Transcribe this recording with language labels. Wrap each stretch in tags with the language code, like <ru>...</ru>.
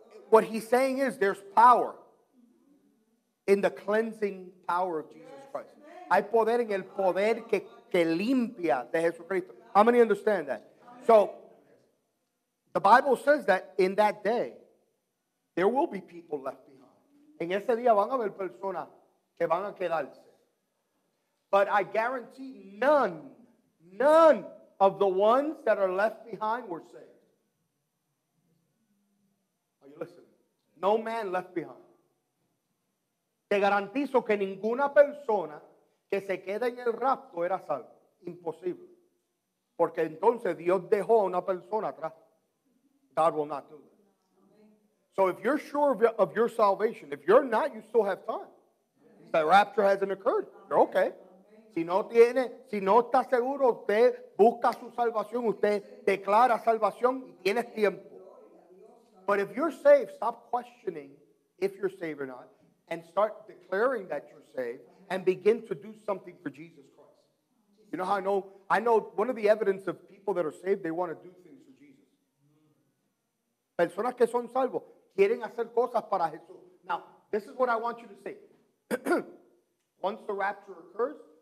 <en>What he's saying is there's power in the cleansing power of Jesus Christ.</en> <es>Hay poder en el poder que limpia de Jesucristo.</es> <en>How many understand that? So, the Bible says that in that day, there will be people left behind.</en> <es>En ese día van a haber personas que van a quedarse.</es> <en>But I guarantee none of the ones that are left behind were saved. Are you listening? No man left behind.</en> <es>Te garantizo que ninguna persona que se queda en el rapto era salvo. Imposible. Porque entonces Dios dejó a una persona atrás.</es> <en>God will not do that. So if you're sure of your salvation, if you're not, you still have time. The rapture hasn't occurred. You're okay.</en> <es>Si no está seguro, usted busca su salvación, usted declara salvación y tiene tiempo.</es> <en>But if you're saved, stop questioning if you're saved or not and start declaring that you're saved and begin to do something for Jesus Christ. You know how I know one of the evidence of people that are saved, they want to do things for Jesus.</en> <es>Personas que son salvos quieren hacer cosas para Jesús.</es> <en>Now, this is what I want you to say. Once the rapture occurs,</en>